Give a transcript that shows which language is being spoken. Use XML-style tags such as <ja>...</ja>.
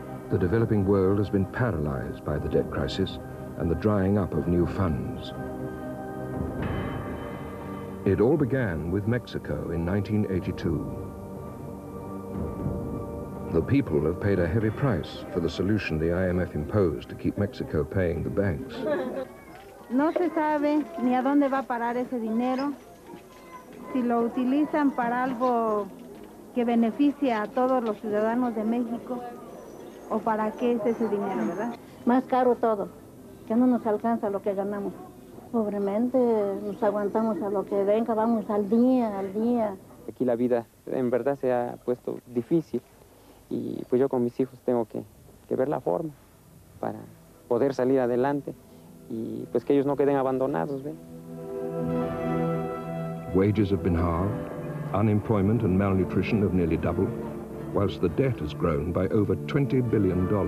<en>The developing world has been paralyzed by the debt crisis and the drying up of new funds. It all began with Mexico in 1982. The people have paid a heavy price for the solution the IMF imposed to keep Mexico paying the banks.</en> <es>No se sabe ni a dónde va a parar ese dinero, si lo utilizan para algo que beneficia a todos los ciudadanos de México, o para qué es ese dinero, ¿verdad? Más caro todo, que no nos alcanza lo que ganamos. Pobremente nos aguantamos a lo que venga, vamos al día, al día. Aquí la vida en verdad se ha puesto difícil y pues yo con mis hijos tengo que ver la forma para poder salir adelante y pues que ellos no queden abandonados, ¿ve?</es> <en>Wages have been halved, unemployment and malnutrition have nearly doubled, whilst the debt has grown by over $20 billion.</en>